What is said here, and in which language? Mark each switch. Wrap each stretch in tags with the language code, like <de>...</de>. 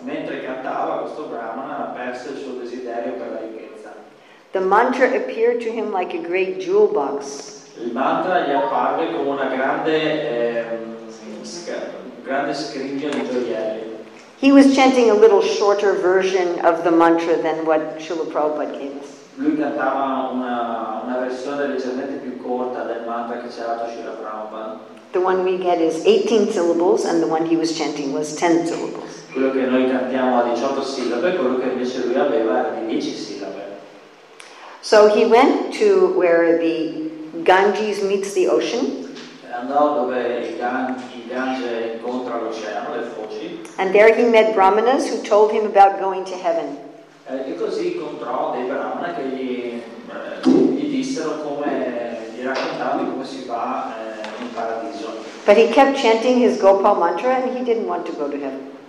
<it>Mentre cantava, questo brahmana ha perso il suo desiderio per la ricchezza.</it> <en>The mantra appeared to him like a great jewel box.</en> <it>Il mantra gli apparve come una grande scrigno di gioielli.</it> <en>He was chanting a little shorter version of the mantra than what Srila Prabhupada gave us.</en> <it>Lui cantava una versione leggermente più corta del mantra che ci ha dato Srila Prabhupada.</it> <en>The one we get is 18 syllables and the one he was chanting was 10 syllables.</en> <it>Quello che noi cantiamo ha 18 sillabe, quello che invece lui aveva era di 10 sillabe.</it> <en>So he went to where the Ganges meets the ocean.</en> <it>Andò dove il Gange incontra l'oceano, le foci.</it> <en>And there he met brahmanas who told him about going to heaven.</en> <it>E così incontrò dei brahmana che gli dissero come, gli raccontavano come si va in paradiso.</it> <en>But he kept chanting his Gopal mantra and he didn't want to go to heaven.</en>